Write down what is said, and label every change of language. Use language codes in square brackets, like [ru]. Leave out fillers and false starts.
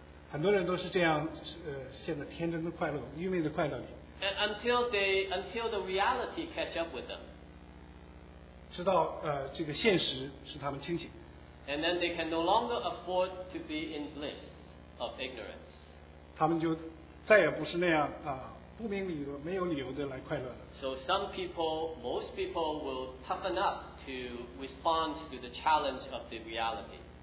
[zh] 很多人都是这样陷在天真的快乐愚昧的快乐里 [en] And until the reality catch up with them. [zh] 直到这个现实使他们清醒。 [en] And then they can no longer afford to be in bliss of ignorance. [zh] 他们就再也不是那样不明理由没有理由的来快乐了。 [en] So some people, most people will toughen up to to respond to the challenge of the reality.